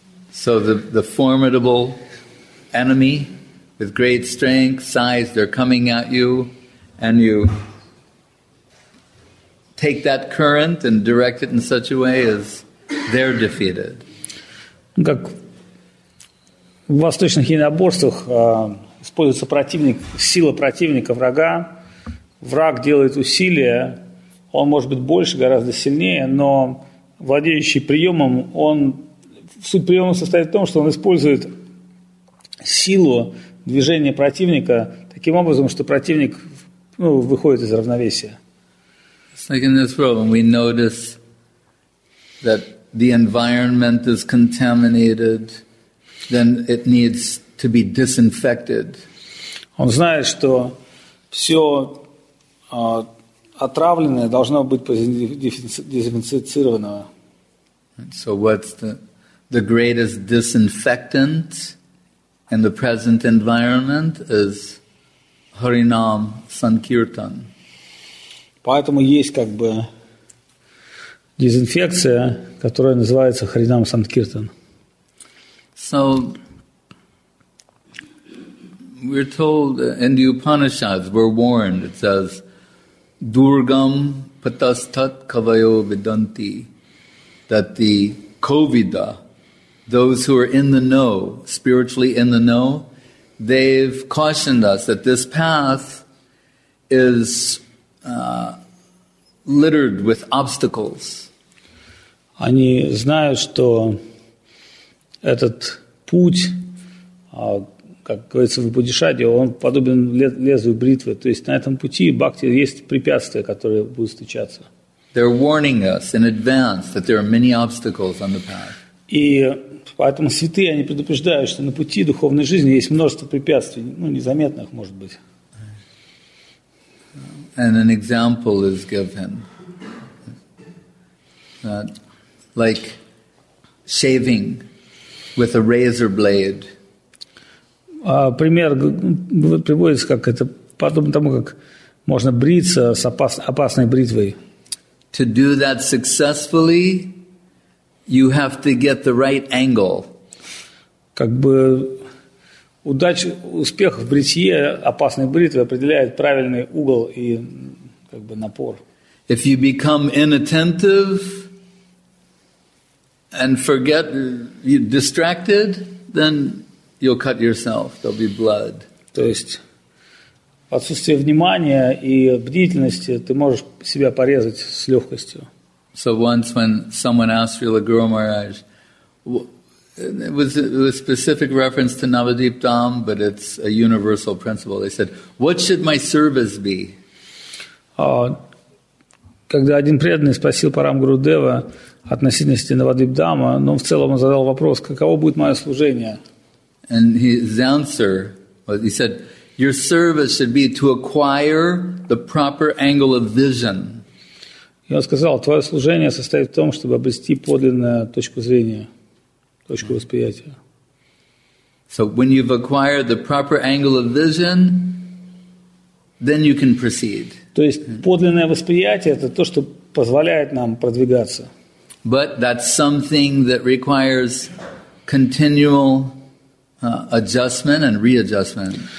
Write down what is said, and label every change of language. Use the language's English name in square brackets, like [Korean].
[English] So the formidable enemy with great strength, size, they're coming at you, and you take that current and direct it in such a way as they're defeated. [Russian] Как в восточных единоборствах используется противник, сила противника, врага. Враг делает усилия. Он может быть больше, гораздо сильнее, но владеющий приемом, он, суть приема состоит в том, что он использует силу движения противника таким образом, что противник, ну, выходит из равновесия. [English] It's like in this problem, we notice that the environment is contaminated, then it needs to be disinfected. [Russian] Он знает, что все отравленное должно быть дезинфицированного. [English] So what's the greatest disinfectant and the present environment is Харинам Санкиртан. [Russian] Поэтому есть как бы дезинфекция, которая называется Харинам Санкиртан. [English] So we're told in the Upanishads, we're warned, it says [Sanskrit] Дургам патастат кавайо виданти, [English] that the ковида, those who are in the know, spiritually in the know, they've cautioned us that this path is littered with obstacles. [Russian] Они знают, что этот путь, как говорится в Упанишаде, он подобен лезвию бритвы. То есть на этом пути бхакти есть препятствия, которые будут встречаться. [English] They're warning us in advance that there are many obstacles on the path. [Russian] И поэтому святые, они предупреждают, что на пути духовной жизни есть множество препятствий, ну, незаметных, может быть. [English] And an example is given. Like shaving with a razor blade. [Russian] Пример приводится, как это подобно тому, как можно бриться с опасной бритвой. [English] To do that successfully, you have to get the right angle. [Russian] Как бы удача, успех в бритье опасной бритвы определяет правильный угол и как бы напор. [English] If you become inattentive and forget, you're distracted, then you'll cut yourself. There'll be blood. [Russian] То есть отсутствие внимания и бдительности, ты можешь себя порезать с легкостью. [English] So once when someone asked Srila Guru Maharaj, it was a specific reference to Navadvip Dham, but it's a universal principle. They said, what should my service be? [Russian] Когда один преданный спросил Парам Гуру Дева относительности Навадвип Дхама, но в целом он задал вопрос, каково будет мое служение? [English] And his answer, he said, your service should be to acquire the proper angle of vision. [Russian] И он сказал, твое служение состоит в том, чтобы обрести подлинную точку зрения, точку восприятия. [English] So when you've acquired the proper angle of vision, then you can proceed. [Russian] То есть подлинное восприятие – это то, что позволяет нам продвигаться. [English] But that's something that requires continual adjustment and readjustment.